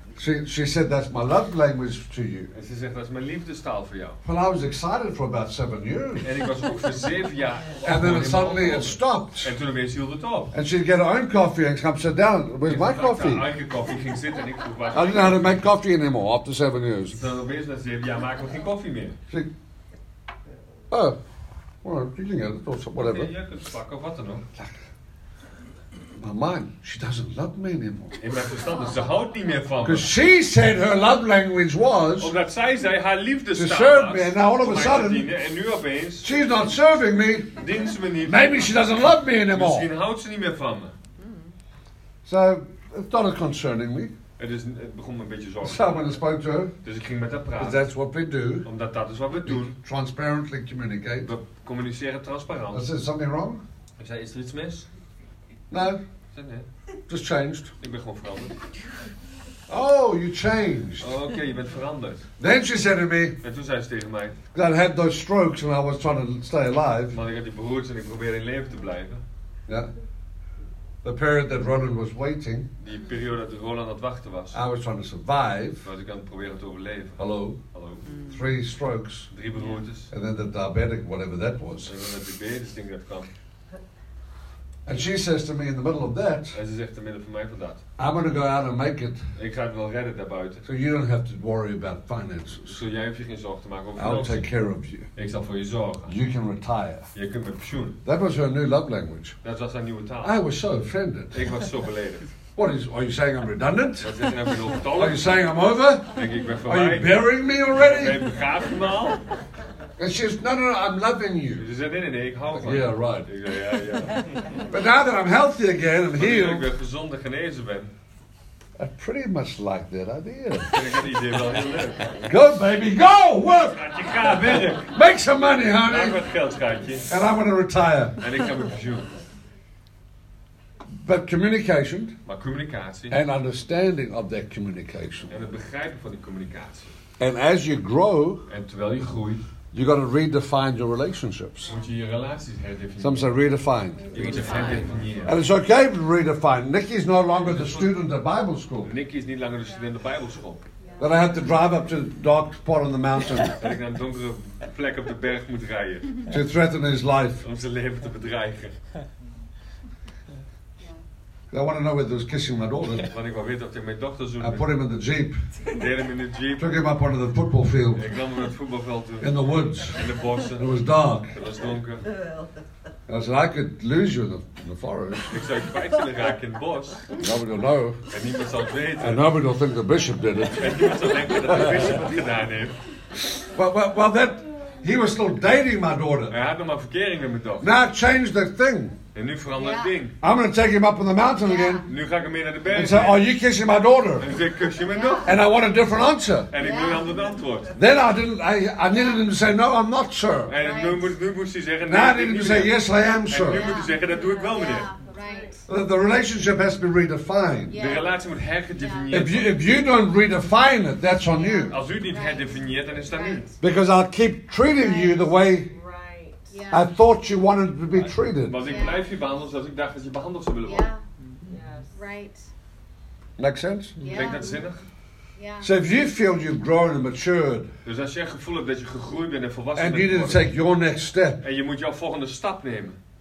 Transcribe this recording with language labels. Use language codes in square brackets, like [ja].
[en] She said, that's my love language to you. [nl] En ze zegt, dat is mijn liefdestaal voor jou. [en] Well, I was excited for about 7 years. [nl] En ik was ook voor 7 jaar. [en] And then suddenly it stopped. [nl] En toen opeens hield het op. [en] And she'd get her own coffee and come sit down. Where's my coffee? [nl] Haar eigen koffie ging zitten en ik vroeg, waar is mijn koffie? [en] I didn't know how to make coffee anymore after 7 years. [nl] Dan opeens na 7 jaar maken we geen koffie meer. [en] She, oh, well, you can get it or whatever. [nl] Je kunt het pakken of wat dan ook. [en] My mind, she doesn't love me anymore. [nl] In mijn verstand, ze houdt niet meer van me. [en] Because she said her love language was. [nl] Omdat zij zei haar liefdestaal was. [en] To serve me, and now all of a sudden. [nl] En nu opeens. [en] She's not serving me. [nl] Dient ze me niet. [en] Maybe she doesn't love me anymore. [nl] Misschien houdt ze niet meer van me. [en] So it started concerning me. [nl] Het begon me een beetje zorgen. [en] So I went and spoke to her. [nl] Dus ik ging met haar praten. [en] That's what we do. [nl] Omdat dat is wat we doen. [en] Transparently communicate. [nl] We communiceren transparant. [en] Is there something wrong? [nl] Ik zei, is er iets mis? [en] No. [nl] Nee. [en] Just changed. [nl] Ik ben gewoon veranderd. [en] Oh, you changed. [nl] Oké, je bent veranderd. [en] Then she said to me. [nl] En toen zei ze tegen mij. [en] That I had those strokes and I was trying to stay alive. [nl] Want ik had die beroerte en ik probeerde in leven te blijven. [en] Ja. Yeah. The period that Ronan was waiting. [nl] Die periode dat Ronan aan het wachten was. [en] I was trying to survive. [nl] Was ik aan het proberen te overleven. Hallo. Hallo. Mm. [en] 3 strokes. [nl] 3 beroertes. [en] And then the diabetic, whatever that was. [nl] En dan het diabetes ding dat kwam. [en] And she says to me in the middle of that. [nl] En ze zegt in het midden van mij van dat. [en] I'm gonna go out and make it. [nl] Ik ga het wel redden daarbuiten. [en] So you don't have to worry about finances. [nl] So jij hoeft je geen zorgen te maken over [en] financiën. I'll take care of you. [nl] Ik zal voor je zorgen. [en] You can retire. [nl] Je kunt met pensioen. [en] That was her new love language. [nl] Dat was haar nieuwe taal. [en] I was so offended. [nl] Ik was zo beledigd. [en] What is? Are you saying I'm redundant? [nl] Wat [en] is Are you saying I'm over? [nl] Denk ik ben voor [en] Are you burying me already? [nl] Ben je begraaf me al? [en] And she says, no, I'm loving you. She said, [nl] nee, ik hou van [en] je. Yeah, right. [nl] Ik zei, ja. [en] But now that I'm healthy again, I'm healed. [nl] Ik ben gezond en genezen ben. [en] I pretty much like that idea. [nl] Dat idee wel heel leuk. [en] Go, baby, go, work. [nl] Je gaat werken. [en] Make some money, honey. [nl] Maak wat geld, schatje. [en] And I'm going to retire. [nl] En ik ga met pensioen. [en] But communication. [nl] Maar communicatie. [en] And understanding of that communication. [nl] En het begrijpen van die communicatie. [en] And as you grow. [nl] En terwijl je groeit. [en] You got to redefine your relationships. [nl] Moet je je relaties herdefiniëren. [en] Some say redefine. Redefine. And it's okay to redefine. Nikki is no longer the student at Bible school. [nl] Nikki is niet langer de student [en] at Bible school. That I have to drive up to the dark spot on the mountain. [nl] Dat ik naar een donkere plek op de berg moet rijden. [en] To threaten his life. [nl] Om zijn leven te bedreigen. [en] I want to know whether he was kissing my daughter. [nl] Want ik wil weten of hij mijn dochter zoende. [en] I put him in the jeep. [nl] Deed hem in de jeep. [en] Took him up onto the football field. [nl] Ik nam hem naar het voetbalveld toe. [en] In the woods. [nl] In de bossen. [en] It was dark. [nl] Het was donker. [en] And I said, I could lose you in the forest. [nl] Ik zou je kwijt kunnen raken in het bos. [en] Nobody will know. [nl] En niemand zal weten. [en] And nobody will think the bishop did it. [nl] En niemand zal denken dat de bishop het gedaan heeft. [en] Well, that he was still dating my daughter. [nl] Hij had nog maar verkering met mijn dochter. [en] Now change the thing. [nl] En nu verandert het ding. [en] I'm going to take him up on the mountain again. [nl] Nu ga ik hem weer naar de berg. [en] And say, are you kissing my daughter? [nl] En zei, kus je mijn dochter? [en] And I want a different answer. [nl] En ik wil een ander antwoord. [en] Then I needed him to say, no, I'm not, sir. [nl] En nu moest hij zeggen, [en] nee. Now I need him to say, yes, I am, sir. [nl] En nu moet hij zeggen, dat doe ik wel, meneer. [en] The relationship has to be redefined. [nl] Yeah. De relatie moet herdefinieerd. [en] If you don't redefine it, that's on you. [nl] Als u het niet herdefinieert, dan is dat niet. [en] Because I'll keep treating you the way. Yeah. I thought you wanted to be treated. [nl] Want ik blijf je behandelen zoals ik dacht dat je behandeld zou willen worden. [en] Yeah. Yes. Right. Makes sense? [nl] Yeah. Klinkt dat zinnig? [en] Yeah. So if you feel you've grown and matured. [nl] Dus als je het gevoel hebt dat je gegroeid bent en volwassen [en] and [nl] bent. [en] And you didn't take your next step. [nl] En je moet jouw volgende stap nemen.